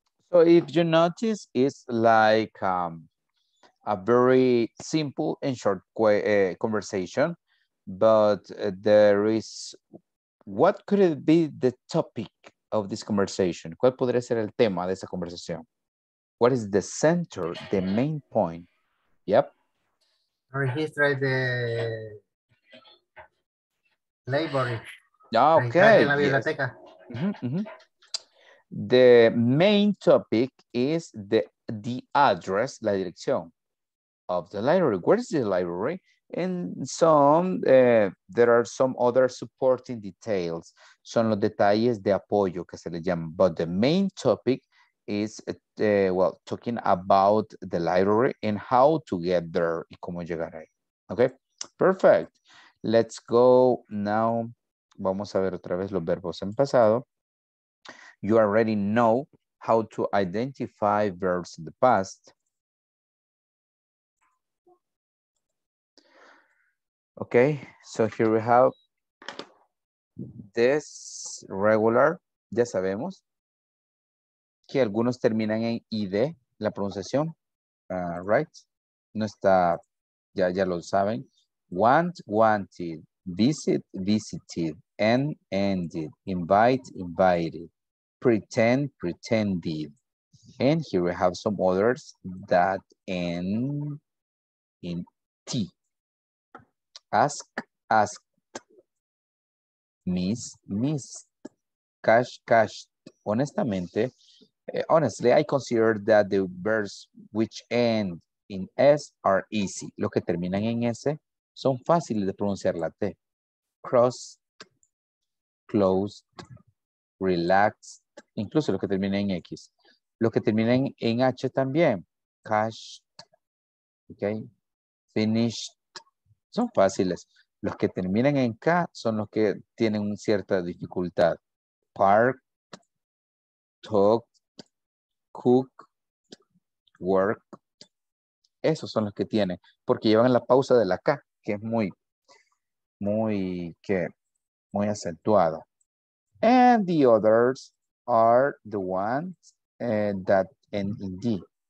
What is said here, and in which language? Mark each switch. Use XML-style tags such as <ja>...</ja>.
<en>So if you notice, it's like a very simple and short conversation, but there is, what could it be the topic of this conversation?</en> <es>¿Cuál podría ser el tema de esa conversación?</es> <en>What is the center, the main point? Yep. Registrar the library. Ah, okay.</en> <es>En la biblioteca.</es> <en>Yes. The main topic is the address,</en> <es>la dirección</es> <en>of the library. Where is the library? And some, there are some other supporting details.</en> <es>Son los detalles de apoyo que se le llaman.</es> <en>But the main topic is well, talking about the library and how to get there</en> <es>y cómo llegar ahí.</es> <en>Okay, perfect. Let's go now.</en> <es>Vamos a ver otra vez los verbos en pasado.</es> <en>You already know how to identify verbs in the past. Okay, so here we have this regular.</en> <es>Ya sabemos que algunos terminan en ID, la pronunciación, right? No está, ya lo saben.</es> <en>Want, wanted, visit, visited, and ended, invite, invited, pretend, pretended. And here we have some others that end in T. Ask, asked, miss, missed, cash, cashed.</en> <es>Honestamente,</es> <en>honestly, I consider that the verbs which end in S are easy.</en> <es>Los que terminan en S son fáciles de pronunciar la T.</es> <en>Crossed, closed, relaxed,</en> <es>incluso los que terminan en X. Los que terminan en H también.</es> <en>Cashed, okay, finished.</en> <es>Son fáciles. Los que terminan en K son los que tienen una cierta dificultad.</es> <en>Parked, talked, cooked, worked.</en> <es>Esos son los que tienen. Porque llevan la pausa de la K, que es muy, muy, ¿qué? Muy acentuado.</es> <en>And the others are the ones that end in D.</en>